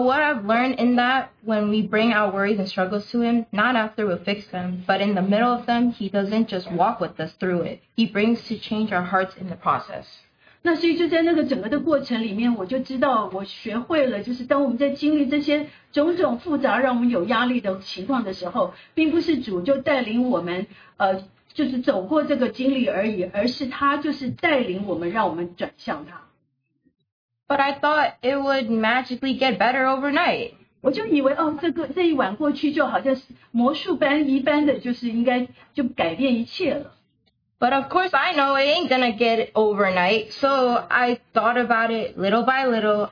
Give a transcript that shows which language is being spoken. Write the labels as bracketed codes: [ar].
[en] what I've learned in that, when we bring our worries and struggles to him, not after we fix them, but in the middle of them, he doesn't just walk with us through it, he brings to change our hearts in the process. [zh] 那所以就在那个整个的过程里面,我就知道我学会了,就是当我们在经历这些种种复杂让我们有压力的情况的时候,并不是主就带领我们,就是走过这个经历而已,而是他就是带领我们让我们转向他。 [en] But I thought it would magically get better overnight. [zh] 我就以为,哦,这一碗过去就好像魔术般一般的就是应该就改变一切了。 [en] But of course, I know it ain't gonna get it overnight. So I thought about it little by little.